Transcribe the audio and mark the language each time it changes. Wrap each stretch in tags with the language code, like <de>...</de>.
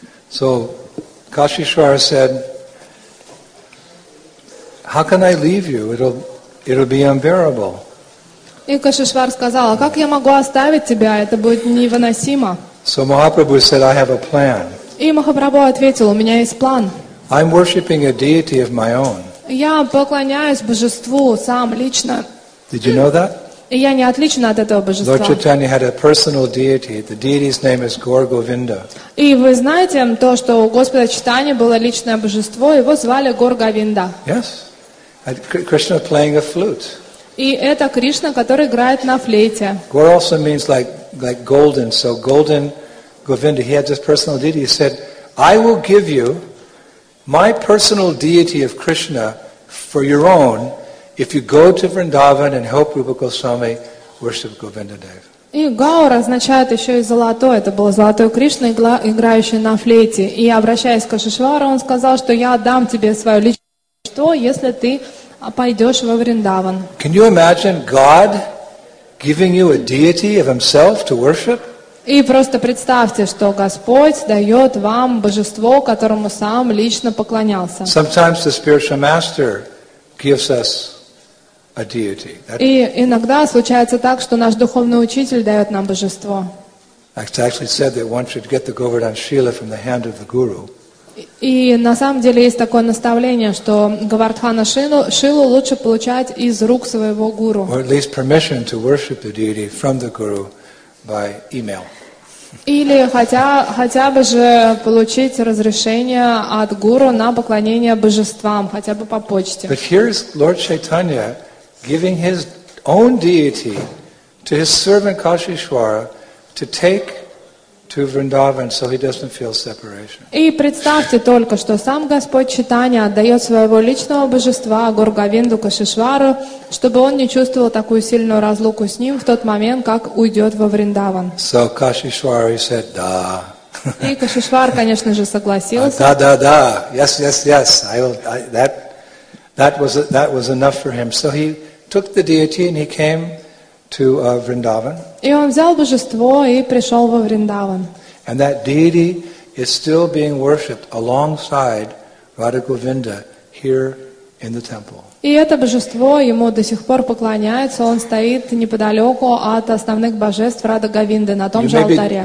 <en>So Kashishwara said, how can I leave you? It'll be unbearable.</en> <ru>И Кашишвар сказал, а как я могу оставить тебя? Это будет невыносимо.</ru> <en>So Mahaprabhu said, I have a plan.</en> <ru>И Махапрабху ответил, у меня есть план.</ru> <en>I'm worshipping a deity of my own.</en> <ru>Я поклоняюсь божеству сам лично.</ru> <en>Did you know that?</en> <ru>И я не отлична от этого божества.</ru> <en>Lord Chaitanya had a personal deity. The deity's name is Gaur Govinda.</en> <ru>И вы знаете то, что у Господа Читания было личное божество, его звали Гор Говинда.</ru> <en>Yes. And Krishna playing a flute.</en> <ru>И это Кришна, который играет на флейте.</ru> <en>Gaur also means like golden. So golden Govinda, he had this personal deity. He said, I will give you my personal deity of Krishna for your own if you go to Vrindavan and help Rupa Goswami worship Govinda Dev.</en> <ru>И Гаура означает еще и золотой. Это был золотой Кришна, играющий на флейте. И обращаясь к Шишвару, он сказал, что я дам тебе свое личное что, если ты пойдешь во Вриндаван.</ru> <en>Can you imagine God giving you a deity of Himself to worship?</en> <ru>И просто представьте, что Господь дает вам божество, которому сам лично поклонялся.</ru> <en>Sometimes the spiritual master gives us a deity.</en> <ru>И иногда случается так, что наш духовный учитель дает нам божество.</ru> <en>It's actually said that one should get the Govardhan Shila from the hand of the guru.</en> <ru>И на самом деле есть такое наставление, что Говардхана Шилу лучше получать из рук своего гуру.</ru> <en>Or at least permission to worship the deity from the guru. By email.</en> <ru>Или хотя бы же получить разрешение от гуру на поклонение божествам, хотя бы по почте.</ru> <en>But here's Lord Chaitanya giving his own deity to his servant Kashishwara to take to Vrindavan so he doesn't feel separation.</en> <ru>И представьте только, что сам Господь Чайтанья отдает своего личного божества Гургавинду Кашишвару, чтобы он не чувствовал такую сильную разлуку с ним в тот момент, как уйдет во Вриндаван.</ru> <en>So Kashishwara said,</en> <ru>да. И Кашишвар, конечно же, согласился. Да.</ru> <en>Yes. That was enough for him. So he took the deity and he came to Vrindavan.</en> <ru>И он взял божество и пришел во Вриндаван.</ru> <en>And that deity is still being worshipped alongside Radha Govinda here in the temple.</en> <ru>И это божество ему до сих пор поклоняется. Он стоит неподалеку от основных божеств Радха Говинды на том же алтаре.</ru>